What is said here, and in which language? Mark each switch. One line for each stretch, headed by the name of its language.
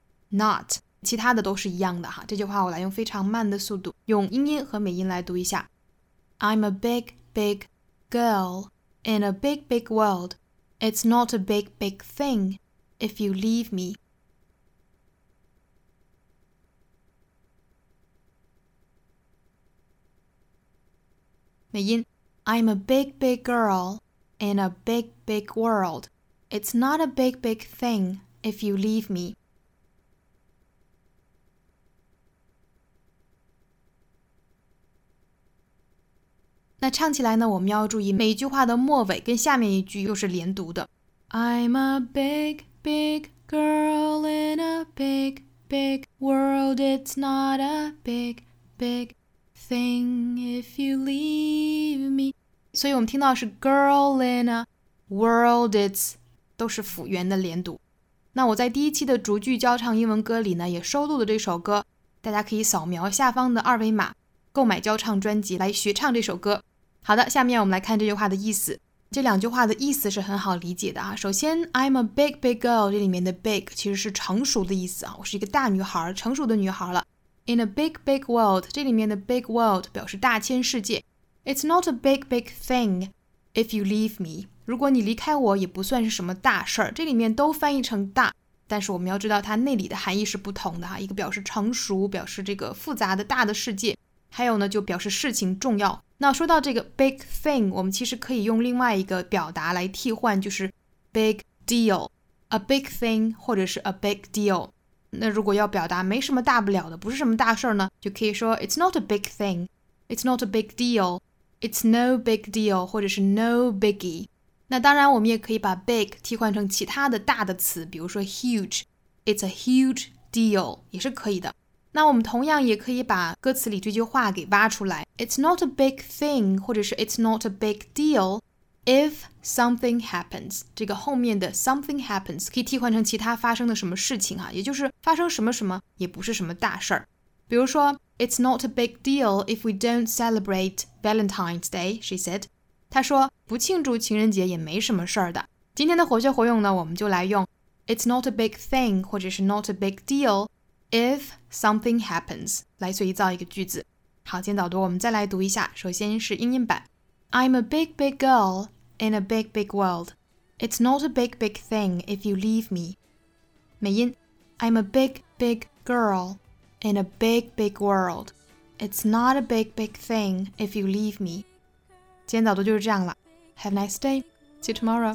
Chinese: not， 其他的都是一样的哈。这句话我来用非常慢的速度，用英音和美音来读一下。
English: I'm a big, big girl in a big, big world. It's not a big, big thing if you leave me.
Chinese: 美音
English: I'm a big, big girl in a big, big world. It's not a big, big thing if you leave me.
Chinese: 那唱起来呢，我们要注意每一句话的末尾跟下面一句又是连读的。
English: I'm a big, big girl in a big, big world. It's not a big, big thing if you leave me.
Chinese: 所以我们听到是 girl in a world, it's 都是辅元的连读。那我在第一期的逐句教唱英文歌里呢，也收录了这首歌，大家可以扫描下方的二维码购买教唱专辑来学唱这首歌。好的，下面我们来看这句话的意思。这两句话的意思是很好理解的啊。首先
English: I'm a big, big girl，
Chinese: 这里面的 big 其实是成熟的意思啊，我是一个大女孩，成熟的女孩了。 In a big, big world, 这里面的 big world 表示大千世界。
English: It's not a big, big thing if you leave me.
Chinese: 如果你离开我也不算是什么大事儿。这里面都翻译成大，但是我们要知道它内里的含义是不同的哈。一个表示成熟，表示这个复杂的大的世界。还有呢，就表示事情重要。那说到这个 big thing, 我们其实可以用另外一个表达来替换，就是 big deal, a big thing 或者是 a big deal。那如果要表达没什么大不了的，不是什么大事呢，就可以说
English: It's not a big thing, It's not a big deal, It's no big deal,
Chinese: 或者是 no biggie。那当然我们也可以把 big 替换成其他的大的词，比如说 huge, It's a huge deal, 也是可以的。那我们同样也可以把歌词里这句话给挖出来，
English: It's not a big thing,
Chinese: 或者是
English: It's not a big deal if something happens，
Chinese: 这个后面的 something happens 可以替换成其他发生的什么事情啊，也就是发生什么什么也不是什么大事儿。比如说
English: It's not a big deal if we don't celebrate Valentine's Day, she said.
Chinese: 她说不庆祝情人节也没什么事儿的。今天的活学活用呢，我们就来用 It's not a big thing 或者是 not a big deal if something happens 来随意造一个句子。好，今天导读我们再来读一下，首先是英音版。
English: I'm a big, big girl in a big, big world. It's not a big, big thing if you leave me.
Chinese: 美音
English: I'm a big, big girl in a big, big world. It's not a big, big thing if you leave me.
Chinese: 今天早读就是这样了。
English: Have a nice day. See you tomorrow.